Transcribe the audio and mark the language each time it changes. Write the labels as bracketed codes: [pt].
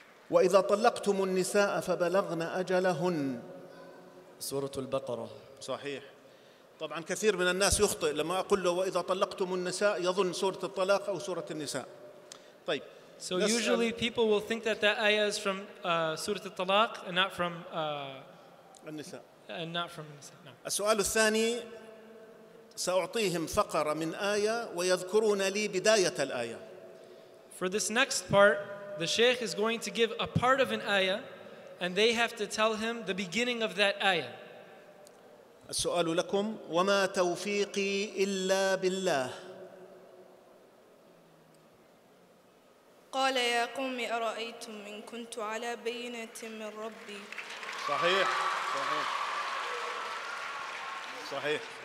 [ar] وإذا طلقتم النساء فبلغن أجلهن. سورة البقرة. صحيح. طبعا كثير من الناس يخطئ لما اقول له واذا طلقتم النساء، يظن سوره الطلاق او سوره النساء. طيب. [en] So usually people will think that that ayah is from Surah Al-Talaq and not from [ar] النساء. [en] And not from النساء. No. [ar] السؤال الثاني سأعطيهم فقرة من آية ويذكرون لي بداية الآية. [en] For this next part, the Sheikh is going to give a part of an ayah, and they have to tell him the beginning of that ayah. [ar] السؤال لكم وما توفيقي إلا بالله. قال يا قوم أرأيتم إن كنت على بينة من ربي. صحيح صحيح صحيح.